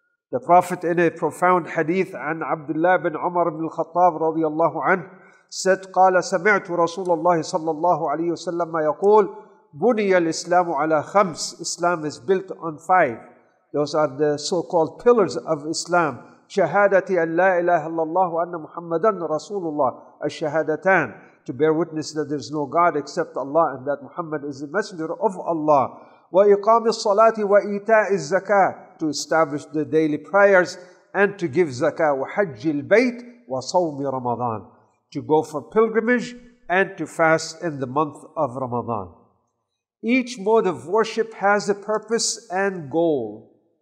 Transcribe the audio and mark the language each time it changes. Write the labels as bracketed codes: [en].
[en] The Prophet, in a profound hadith, an Abdullah bin Umar bin al-Khattab radiyallahu anhu, said, [ar] قَالَ سَمِعْتُ رَسُولَ اللَّهِ صَلَّى اللَّهُ عَلَيْهِ وَسَلَّمَ يَقُولُ بُنِيَ الْإِسْلَامُ عَلَى خَمْسِ. [en] Islam is built on five. Those are the so-called pillars of Islam. [ar] شهادتي أن لا إله إلا الله وأن محمدا رسول الله الشهادتان. [en] To bear witness that there is no God except Allah and that Muhammad is the messenger of Allah. [ar] وإقام الصلاة وإيتاء الزكاة. [en] To establish the daily prayers and to give زكاة. [ar] وحج البيت وصوم رمضان. [en] To go for pilgrimage and to fast in the month of Ramadan. Each mode of worship has a purpose and goal.